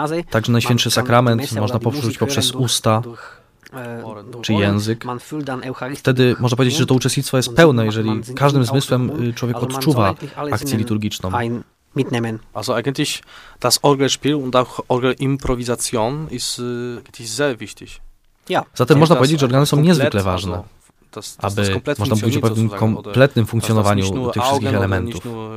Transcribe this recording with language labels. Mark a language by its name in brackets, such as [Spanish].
[Polish] Także Najświętszy Sakrament można poczuć poprzez usta czy język. Wtedy można powiedzieć, że to uczestnictwo jest pełne, jeżeli każdym zmysłem człowiek odczuwa akcję liturgiczną. [German] Mitnehmen. Also eigentlich das Orgelspiel und auch Orgelimprovisation ist sehr wichtig. [Polish] Zatem można powiedzieć, że organy są niezwykle ważne. Aby można mówić o pewnym kompletnym funkcjonowaniu tych wszystkich elementów.